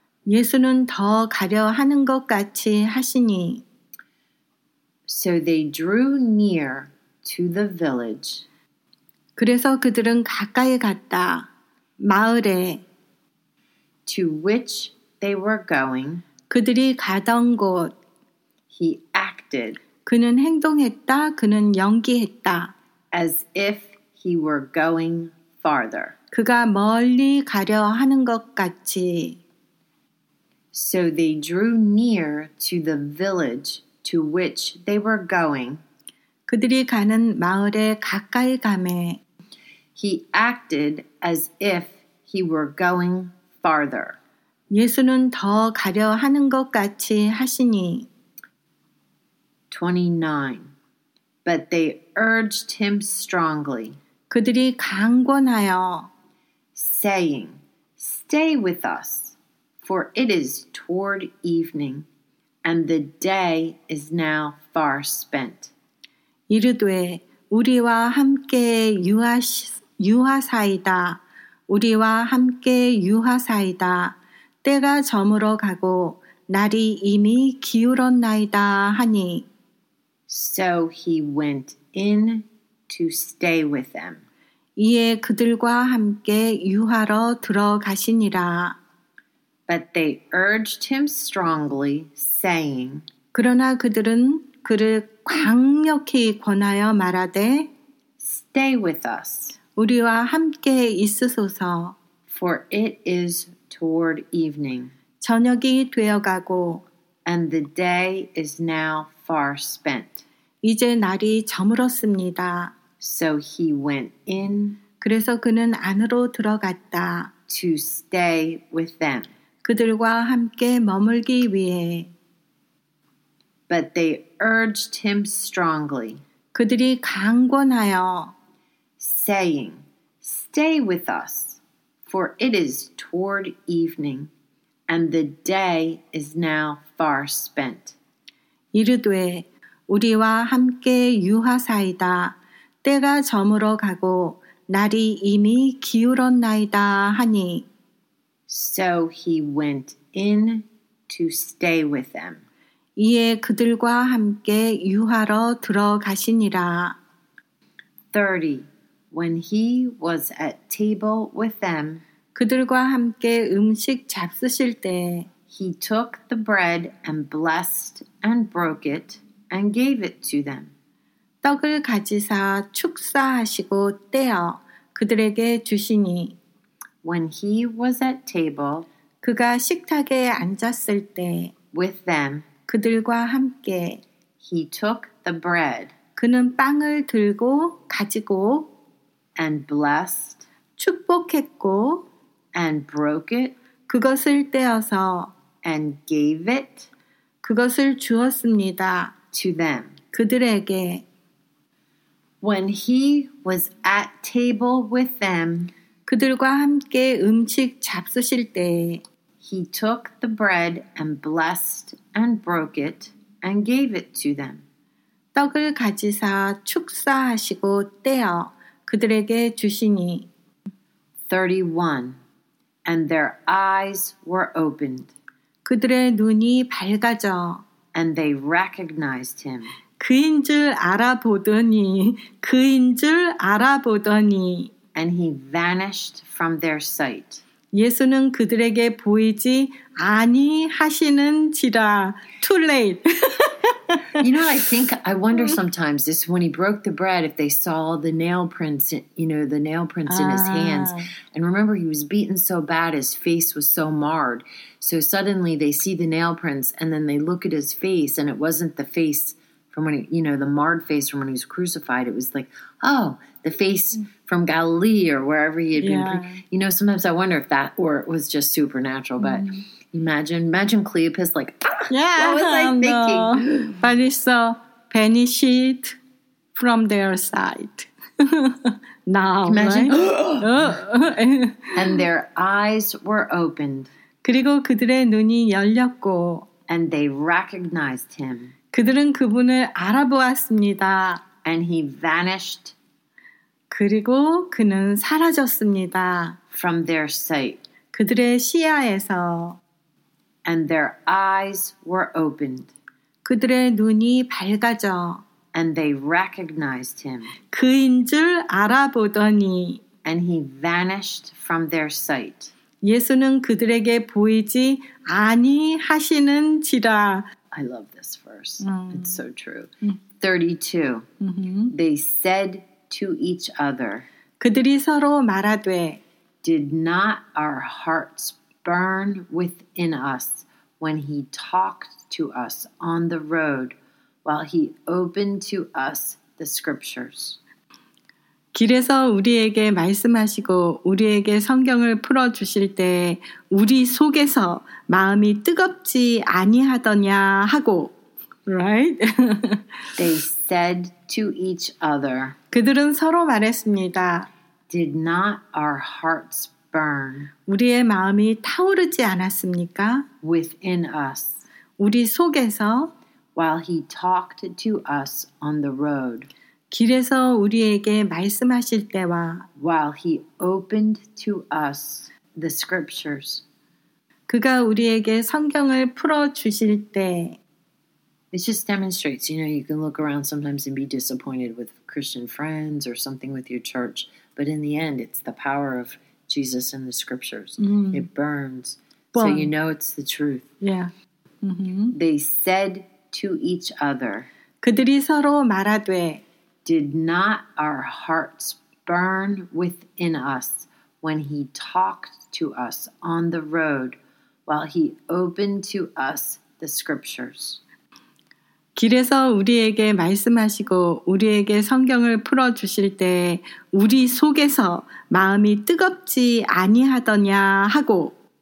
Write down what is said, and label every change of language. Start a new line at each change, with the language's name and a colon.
Korean: 예수는 더 가려 하는 것 같이 하시니
English: So they drew near to the village.
Korean: 그래서 그들은 가까이 갔다. 마을에
English: to which they were going.
Korean: 그들이 가던 곳.
English: He acted.
Korean: 그는 행동했다. 그는 연기했다.
English: As if he were going farther.
Korean: 그가 멀리 가려 하는 것 같이.
English: So they drew near to the village to which they were going.
Korean: 그들이 가는 마을에 가까이 가매
English: He acted as if he were going farther.
Korean: 예수는 더 가려 하는 것 같이 하시니
English: 29. But they urged him strongly.
Korean: 그들이 강권하여
English: Saying, Stay with us, for it is toward evening, and the day is now far spent.
Korean: 이르되 우리와 함께 유하사이다. 우리와 함께 유하사이다. 때가 저물어 가고 날이 이미 기울었나이다 하니
English: So he went in to stay with them.
Korean: 이에 그들과 함께 유하러 들어가시니라.
English: But they urged him strongly saying
Korean: 그러나 그들은 그를 강력히 권하여 말하되
English: Stay with us.
Korean: 우리와 함께 있으소서.
English: For it is toward evening.
Korean: 저녁이 되어가고
English: And the day is now far spent.
Korean: 이제 날이 저물었습니다.
English: So he went in.
Korean: 그래서 그는 안으로 들어갔다.
English: To stay with them.
Korean: 그들과 함께 머물기 위해.
English: But they urged him strongly.
Korean: 그들이 강권하여.
English: Saying, stay with us, for it is toward evening, and the day is now far spent.
Korean: 이르되, 우리와 함께 유하사이다. 때가 저물어 가고 날이 이미 기울었나이다 하니.
English: So he went in to stay with them.
Korean: 이에 그들과 함께 유하러 들어가시니라.
English: 30. When he was at table with them,
Korean: 그들과 함께 음식 잡수실 때,
English: he took the bread and blessed and broke it and gave it to them.
Korean: 떡을 가지사 축사하시고 떼어 그들에게 주시니
English: When he was at table
Korean: 그가 식탁에 앉았을 때
English: With them
Korean: 그들과 함께
English: He took the bread
Korean: 그는 빵을 들고 가지고
English: And blessed
Korean: 축복했고
English: And broke it
Korean: 그것을 떼어서
English: And gave it
Korean: 그것을 주었습니다
English: To them
Korean: 그들에게
English: When he was at table with them,
Korean: 그들과 함께 음식 잡수실 때,
English: he took the bread and blessed and broke it and gave it to them.
Korean: 떡을 가지사 축사하시고 떼어 그들에게 주시니.
English: 31. And their eyes were opened.
Korean: 그들의 눈이 밝아져.
English: And they recognized him.
Korean: 그인 줄 알아보더니, 그인 줄 알아보더니
English: And he vanished from their sight.
Korean: 예수는 그들에게 보이지 아니하시는지라
English: Too late. You know, I think, I wonder sometimes, this when he broke the bread, if they saw the nail prints, you know, the nail prints in his hands. And remember, he was beaten so bad, his face was so marred. So suddenly they see the nail prints and then they look at his face and it wasn't the face... From when he, you know, the marred face from when he was crucified, it was like, oh, the face from Galilee or wherever he had been. Yeah. You know, sometimes I wonder if that or it was just supernatural. But imagine Cleopas like, what was I thinking? Vanished, vanished from their sight. Now, imagine, right? And their eyes were opened.
Korean: 그리고 그들의 눈이 열렸고.
English: And they recognized him.
Korean: 그들은 그분을 알아보았습니다.
English: And he vanished.
Korean: 그리고 그는 사라졌습니다.
English: From their sight.
Korean: 그들의 시야에서.
English: And their eyes were opened.
Korean: 그들의 눈이 밝아져.
English: And they recognized him.
Korean: 그인 줄 알아보더니.
English: And he vanished from their sight.
Korean: 예수는 그들에게 보이지 아니하시는지라.
English: I love this verse. It's so true. 32. They said to each other,
Korean: 그들이 서로 말하되,
English: Did not our hearts burn within us when he talked to us on the road while he opened to us the scriptures?
Korean: 길에서 우리에게 말씀하시고 우리에게 성경을 풀어주실 때 우리 속에서 마음이 뜨겁지 아니하더냐 하고
English: Right? They said to each other
Korean: 그들은 서로 말했습니다.
English: Did not our hearts burn
Korean: 우리의 마음이 타오르지 않았습니까?
English: Within us
Korean: 우리 속에서
English: While he talked to us on the road
Korean: 길에서 우리에게 말씀하실 때와
English: While he opened to us the scriptures
Korean: 그가 우리에게 성경을 풀어주실 때
English: It just demonstrates, you know, you can look around sometimes and be disappointed with Christian friends or something with your church, but in the end, it's the power of Jesus and the scriptures. It burns. Boom. So you know it's the truth. Yeah. Mm-hmm. They said to each other
Korean: 그들이 서로 말하되
English: Did not our hearts burn within us when he talked to us on the road while he opened to us the scriptures?
Korean: 길에서 우리에게 말씀하시고 우리에게 성경을 풀어 주실 때 우리 속에서 마음이 뜨겁지 아니하더냐 하고